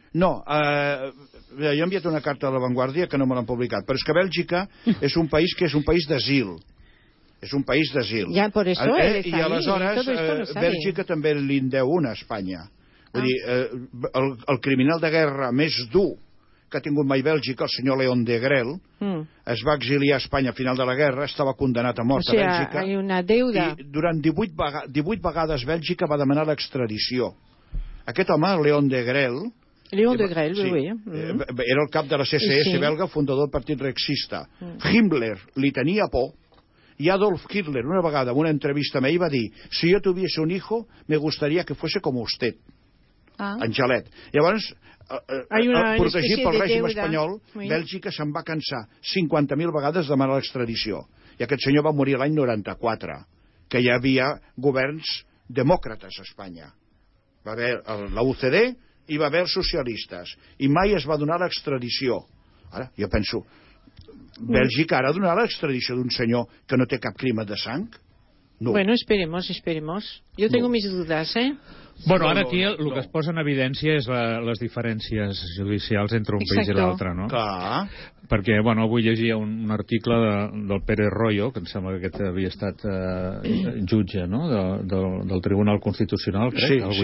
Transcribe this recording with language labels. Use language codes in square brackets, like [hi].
[es] No, yo he enviado una carta a La Vanguardia que no me la han publicado, pero es que Bélgica es un país que es un país d'asil. [ca] És un país d'asil. [es] Ja, por eso él está ahí. [ca] I aleshores Bèlgica també li en deu una a Espanya. Vull dir, el criminal de guerra més dur que ha tingut mai Bèlgica, el senyor León de Grel, es va exiliar a Espanya a final de la guerra, estava condemnat a mort a Bèlgica. Hi ha una deuda. I durant 18 vegades Bèlgica va demanar l'extradició. Aquest home, León de Grel... Era el cap de la CCS belga, fundador del Partit Reixista. Himmler li tenia por, i Adolf Hitler, una vegada, en una entrevista amb ell, va dir: si jo [es] tuviese un hijo, me gustaría que fuese como usted. [ca] Angelet. Llavors... protegit pel règim espanyol, Bèlgica se'n va cansar 50.000 vegades de demanar l'extradició. I aquest senyor va morir l'any 94, que hi havia governs demòcrates a Espanya. Va haver la UCD i va haver socialistes. I mai es va donar l'extradició. Ara, jo penso, Bèlgica ara ha donat l'extradició d'un senyor que no té cap crim de sang? No. [es] Bueno, esperemos. Yo tengo mis dudas, [ca] Bueno, ara aquí el que es posa en evidència és les diferències judicials entre un país i l'altre, no? Clar. Perquè, bueno, avui llegia un article del Pere Royo, que em sembla que aquest havia estat jutge, no?, del Tribunal Constitucional, crec.